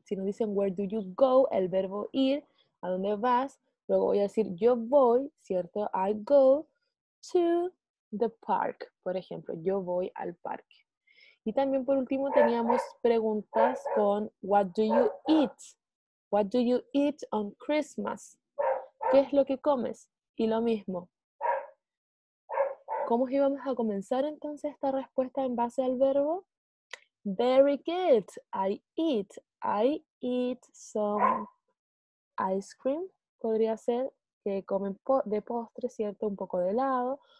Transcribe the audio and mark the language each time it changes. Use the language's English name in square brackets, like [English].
[Spanish] Si nos dicen [English] where do you go, [Spanish] el verbo ir, ¿a dónde vas? Luego voy a decir yo voy, ¿cierto? [English] I go to the park, [Spanish] por ejemplo. Yo voy al parque. Y también por último teníamos preguntas con [English] what do you eat? What do you eat on Christmas? [Spanish] ¿Qué es lo que comes? Y lo mismo. ¿Cómo íbamos a comenzar entonces esta respuesta en base al verbo? [English] Very good. I eat some ice cream. [Spanish] Podría ser que comen de postre, ¿cierto? Un poco de helado.